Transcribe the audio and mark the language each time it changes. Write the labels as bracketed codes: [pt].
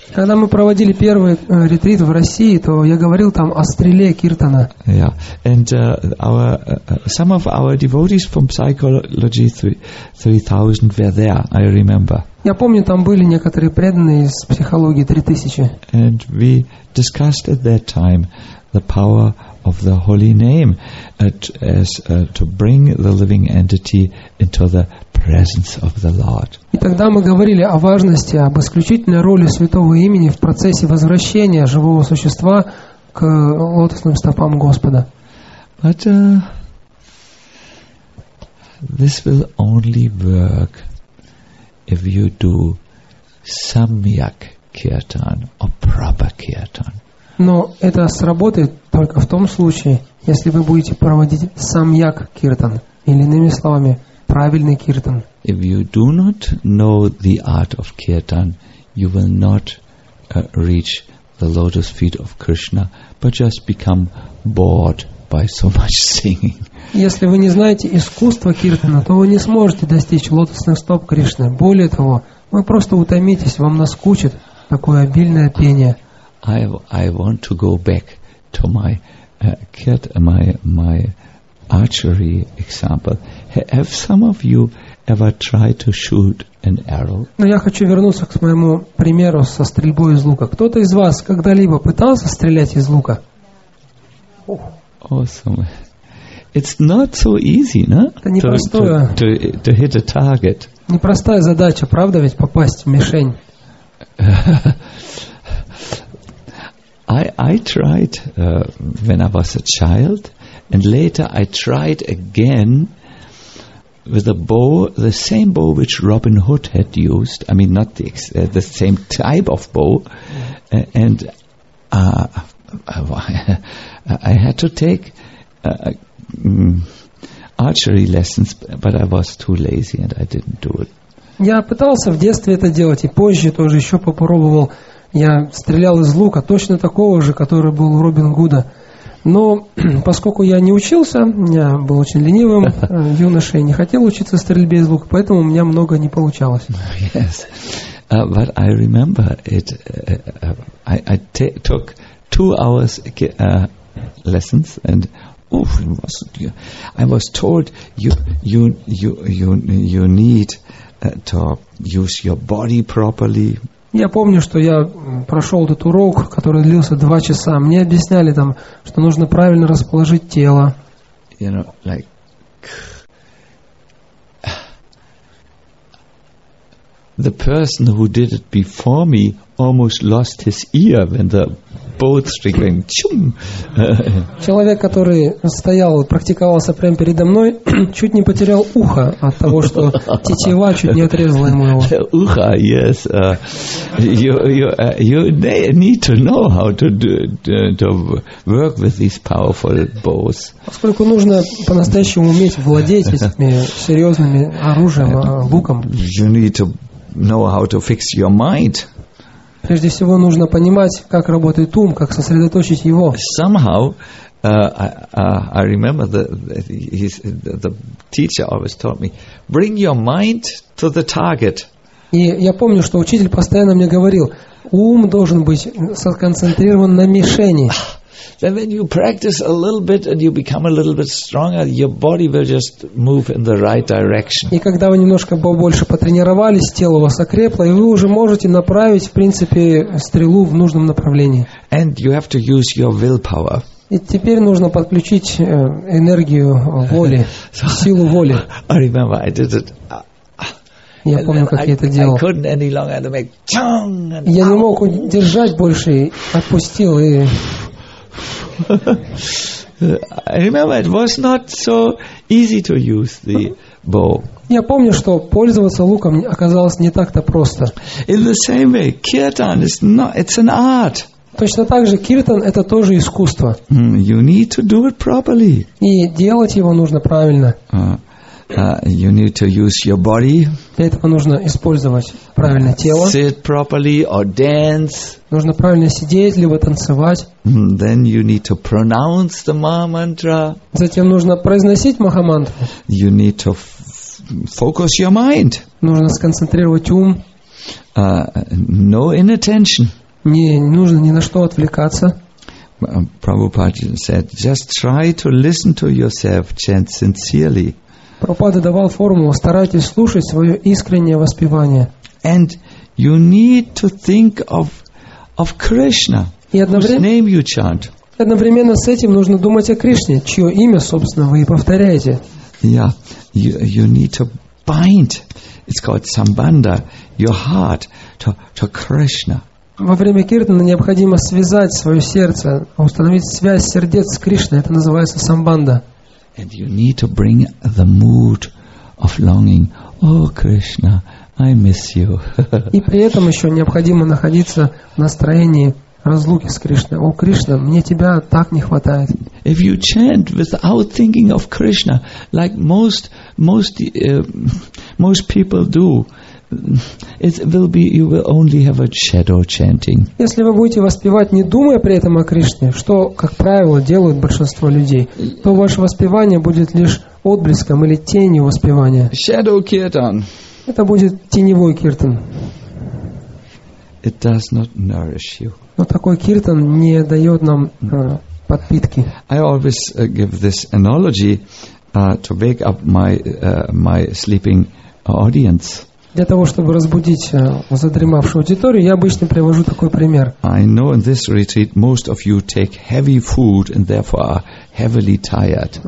[ru] Когда мы проводили первый ретрит в России, то я говорил там о стреле киртана. [en] Yeah, and some of our devotees from Psychology 3000 were there. I remember. [ru] Я помню, там были некоторые преданные из психологии 3000. [en] And we discussed at that time the power of the holy name to bring the living entity into the presence of the Lord. [ru] И тогда мы говорили о важности, об исключительной роли святого имени в процессе возвращения живого существа к лотосным стопам Господа. [en] But this will only work if you do samyak kirtan or proper kirtan. [ru] Но это сработает только в том случае, если вы будете проводить самьяк киртан, или иными словами, правильный киртан. [en] If you do not know the art of kirtan, you will not reach the lotus feet of Krishna, but just become bored by so much singing. [ru] Если вы не знаете искусства киртана, то вы не сможете достичь лотосных стоп Кришны. Более того, вы просто утомитесь, вам наскучит такое обильное пение. [en] I want to go back to my archery example. Have some of you ever tried to shoot an arrow? [ru] Но я хочу вернуться к моему примеру со стрельбой из лука. Кто-то из вас когда-либо пытался стрелять из лука? [en] Awesome. It's not so easy, no? [ru] Это непростое. [en] To hit a target. [ru] Непростая задача, правда ведь, попасть в мишень? [en] I tried when I was a child, and later I tried again with a bow, the same bow which Robin Hood had used. I mean, not the same type of bow. And I had to take archery lessons, but I was too lazy and I didn't do it. [ru] Я пытался в детстве это делать, и позже тоже еще попробовал. Я стрелял из лука, точно такого же, который был у Робин Гуда. Но поскольку я не учился, я был очень ленивым юношей, не хотел учиться стрельбе из лука, поэтому у меня много не получалось. [en] Yes. But I remember it. I took 2 hours lessons and I was told you need to use your body properly. [ru] Я помню, что я прошел этот урок, который длился 2 часа. Мне объясняли там, что нужно правильно расположить тело. [en] You know, like the person who did it before me almost lost his ear when the bowstring went chum. [ru] Человек, который стоял и практиковался прямо передо мной, чуть не потерял ухо от того, что тетива чуть не отрезала ему его. Ухо, yes. [en] You need to know how to work with these powerful bows. [ru] Поскольку нужно по-настоящему уметь владеть этими серьезными оружием, луком. [en] You need to know how to fix your mind. [ru] Прежде всего нужно понимать, как работает ум, как сосредоточить его. [en] Somehow, I remember the teacher always taught me, bring your mind to the target. [ru] И я помню, что учитель постоянно мне говорил, ум должен быть сконцентрирован на мишени. [en] Then when you practice a little bit and you become a little bit stronger, your body will just move in the right direction. [ru] И когда вы немножко больше потренировались, тело у вас окрепло, и вы уже можете направить, в принципе, стрелу в нужном направлении. [en] And you have to use your willpower. [ru] И теперь нужно подключить энергию воли, силу воли. [en] I remember I did it. [ru] Я помню, как я это делал. Я не мог держать больше, отпустил и... [en] Remember, it was not so easy to use the bow. [ru] Я помню, что пользоваться луком оказалось не так-то просто. [en] In the same way, kirtan is not—it's an art. [ru] Точно так же киртан — это тоже искусство. [en] You need to do it properly. [ru] И делать его нужно правильно. [en] You need to use your body. [ru] Для этого нужно использовать правильное тело. [en] Sit properly or dance. [ru] Нужно правильно сидеть либо танцевать. [en] Then you need to pronounce the mantra. [ru] Затем нужно произносить махамантру. [en] You need to focus your mind. [ru] Нужно сконцентрировать ум. [en] No inattention. [ru] Не нужно ни на что отвлекаться. [en] Prabhupada said, just try to listen to yourself, chant sincerely. [ru] Прабхупада давал формулу: старайтесь слушать свое искреннее воспевание. [en] And you need to think of Krishna, whose name you chant. [ru] И одновременно с этим нужно думать о Кришне, чье имя, собственно, вы и повторяете. [en] Yeah, you need to bind, it's called sambandha, your heart to Krishna. [ru] Во время киртана необходимо связать свое сердце, установить связь сердец с Кришной, это называется самбанда. [en] And you need to bring the mood of longing. Oh, Krishna, I miss you. [ru] И при этом еще необходимо находиться в настроении разлуки с Кришной. О, Кришна, мне тебя так не хватает. [en] If you chant without thinking of Krishna, like most people do, it will be you will only have a shadow chanting. [ru] Если вы будете воспевать, не думая при этом о Кришне, что, как правило, делают большинство людей, то ваше воспевание будет лишь отблеском или тенью воспевания. [en] Shadow kirtan. [ru] Это будет теневой киртан. [en] It does not nourish you. [ru] Но такой киртан не дает нам подпитки. [en] I always give this analogy to wake up my sleeping audience. [ru] Для того, чтобы разбудить задремавшую аудиторию, я обычно привожу такой пример. [en] I know in this retreat most of you take heavy food and therefore are heavily tired.